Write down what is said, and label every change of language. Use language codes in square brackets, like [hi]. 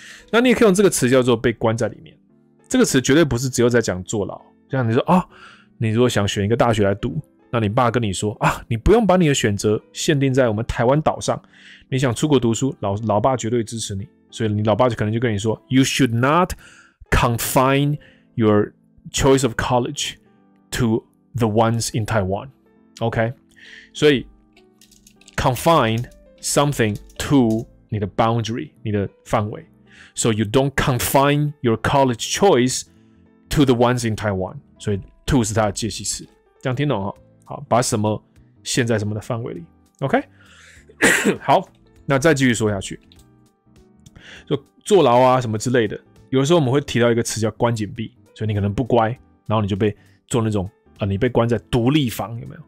[zh] 那你也可以用这个词叫做被关在里面。这个词绝对不是只有在讲坐牢。像你说啊，你如果想选一个大学来读，那你爸跟你说啊，你不用把你的选择限定在我们台湾岛上，你想出国读书，老爸绝对支持你，所以你老爸可能就跟你说 ， [en] you should not。 Confine your choice of college to the ones in Taiwan. Okay? So, confine something to [zh] 你的 [en] boundary, [zh] 你的范围 [en] So, you don't confine your college choice to the ones in Taiwan. [zh] So, to 是它的介系词。这样听懂哈？好，把什么限在什么的范围里。 [en] Okay? [zh] 好，那再继续说下去。就坐牢啊，什么之类的。有的时候我们会提到一个词叫关紧闭，所以你可能不乖，然后你就被做那种你被关在独立房，有没有？